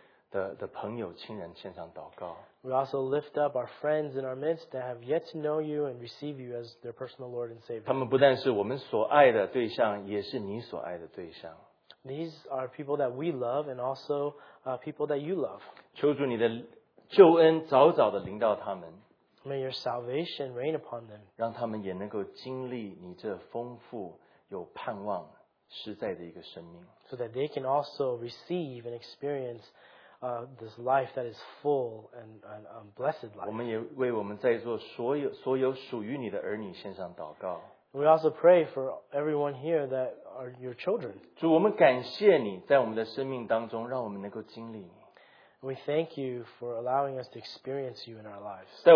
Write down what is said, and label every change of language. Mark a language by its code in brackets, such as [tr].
[zh] 主，我为在我们当中还没有接受主耶稣基督为救主的朋友、亲人献上祷告。 [en] We also lift up our friends in our midst that have yet to know you and receive you as their personal Lord and Savior. [zh] 他们不但是我们所爱的对象，也是你所爱的对象。 [en] These are people that we love and also people that you love. [zh] 求主你的救恩早早地临到他们。 [en] May your salvation rain upon them. [zh] 让他们也能够经历你这丰富、有盼望、实在的一个生命。 [en] So that they can also receive and experience this life that is full and blessed life. [zh] 我们也为我们在座所有属于你的儿女献上祷告。 [en] We also pray for everyone here that are your children. [zh] 主，我们感谢你在我们的生命当中，让我们能够经历你。 [en] We thank you for allowing us to experience you in our lives.